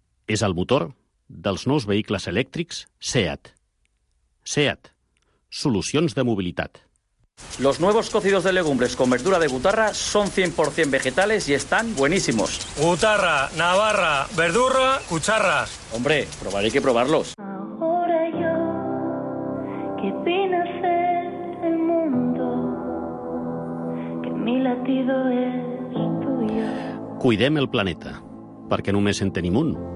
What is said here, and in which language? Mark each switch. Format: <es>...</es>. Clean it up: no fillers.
<ca>És el motor dels nous vehicles elèctrics SEAT. SEAT. Solucions de mobilitat.</ca> <es>Los nuevos cocidos de legumbres con verdura de Gutarra son 100% vegetales y están buenísimos. Gutarra, Navarra, verdura, cucharras. Hombre, probaré que probarlos. Ahora yo, que vine a ser el mundo, que mi latido es tuyo.</es> <ca>Cuidem el planeta, perquè només en tenim un.</ca>